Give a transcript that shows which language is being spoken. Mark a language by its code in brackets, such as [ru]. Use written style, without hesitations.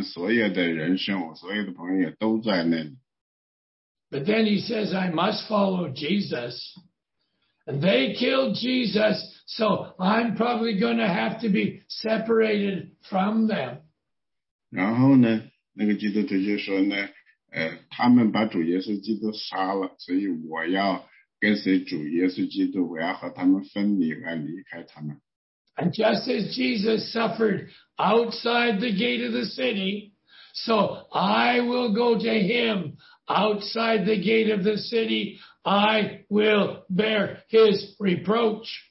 [zh] 所以呢，实际上有些那个希伯来人说呢，我不想离开祭司，我不想离开圣殿，我不想离开那些我的朋友，我们所有的人生，我所有的朋友都在那里。 [en] But then he says, "I must follow Jesus." And they killed Jesus, so I'm probably going to have to be separated from them. [zh] 然后呢，那个基督徒就说呢，他们把主耶稣基督杀了，所以我要跟随主耶稣基督，我要和他们分离，我要离开他们。 [en] And just as Jesus suffered outside the gate of the city, so I will go to him. Outside the gate of the city, I will bear his reproach.